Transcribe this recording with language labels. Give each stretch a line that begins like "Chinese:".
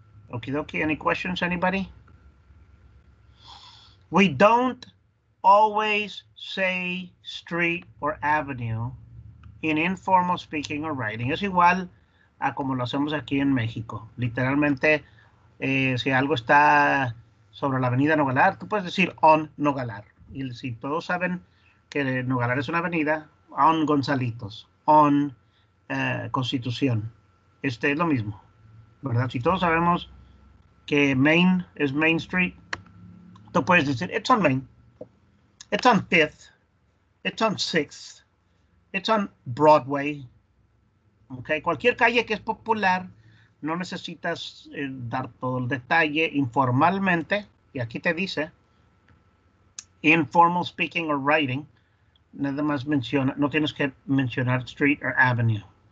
English: Okidoki, any questions, anybody? We don't always say street or avenue in informal speaking or writing.
Spanish: Es igual a como lo hacemos aquí en México. Literalmente, si algo está sobre la avenida Nogalar, tú puedes decir on Nogalar. Y si todos saben que Nogalar es una avenida, on Gonzalitos, on Constitución. Este es lo mismo, ¿verdad? Si todos sabemos que Main es Main Street, tú puedes decir
English: it's on Main, it's on Fifth, it's on Sixth, it's on Broadway. Okay.
Spanish: Cualquier calle que es popular, no necesitas dar todo el detalle informalmente. Y aquí te dice,
English: informal speaking or writing,
Spanish: nada más menciona, no tienes que mencionar
English: street or avenue.